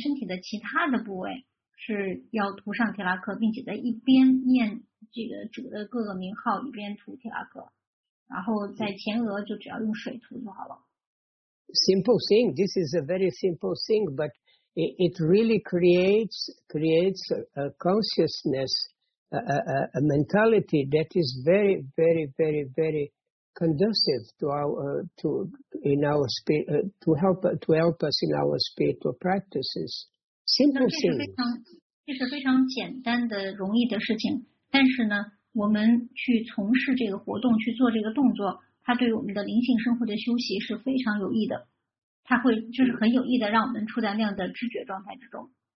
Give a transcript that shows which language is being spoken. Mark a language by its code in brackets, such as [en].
[zh] 因为我听到很多中国的奉献者对我讲呢，呀，这个提拉克在中国不能涂啊，因为我们不可能在前额上涂上提拉克，然后到外面去见人。那么我们在涂提拉克的时候呢，在涂前额的提拉克的时候，我们是可以不用提拉克泥来涂的，我们可以用水来涂。但是呢，在身体的其他的部位。是要涂上提拉克，并且在一边念这个主的各个名号，一边涂提拉克，然后在前额就只要用水涂就好了。 [en] Simple thing. This is a very simple thing, but it really creates a consciousness, a mentality that is very, very, very, very conducive to help us in our spiritual practices. Simple thing. [zh] 这是非常简单的、容易的事情，但是呢，我们去从事这个活动、去做这个动作，它对我们的灵性生活的修习是非常有益的。它会就是很有益的让我们处在那样的知觉状态之中。